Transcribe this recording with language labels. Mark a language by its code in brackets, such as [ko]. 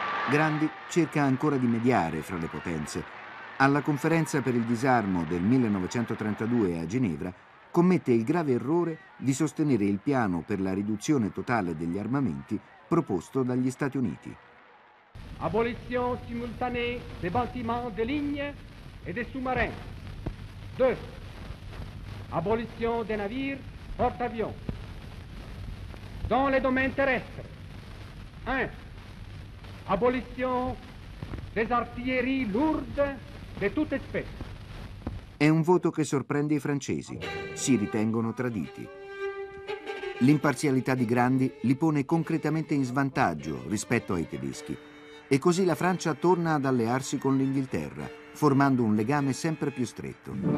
[it] Grandi cerca ancora di mediare fra le potenze. Alla conferenza per il disarmo del 1932 a Ginevra commette il grave errore di sostenere il piano per la riduzione totale degli armamenti proposto dagli Stati Uniti. [fr] Abolition simultanée des bâtiments de ligne et des sous-marins. 2. Abolition des navires porte-avions dans les domaines terrestres. 1. Abolition des artilleries lourdes de toute espèce. [it] È un voto che sorprende i francesi. Si ritengono traditi. L'imparzialità di Grandi li pone concretamente in svantaggio rispetto ai tedeschi. E così la Francia torna ad allearsi con l'Inghilterra, formando un legame sempre più stretto.